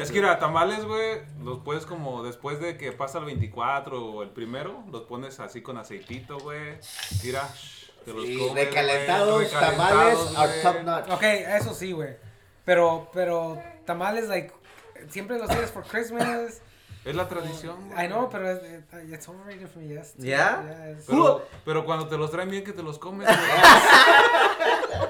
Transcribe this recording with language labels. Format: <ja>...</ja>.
<es>Es que a tamales, güey, los puedes como después de que pasa el 24 o el primero, los pones así con aceitito, güey. Mira, te los comes. Y recalentados, tamales</es> <en>are top notch.</en> <es>Okay, eso sí, güey. Pero tamales,</es> <en>like,</en> <es>siempre los tienes</es> <en>for Christmas.</en> <es>Es la tradición.</es> <en>I know,</en> <es>pero</es> <en>it's overrated for me, yes. Yeah?</en> <es>Pero cuando te los traen bien, que te los comes, güey.</es>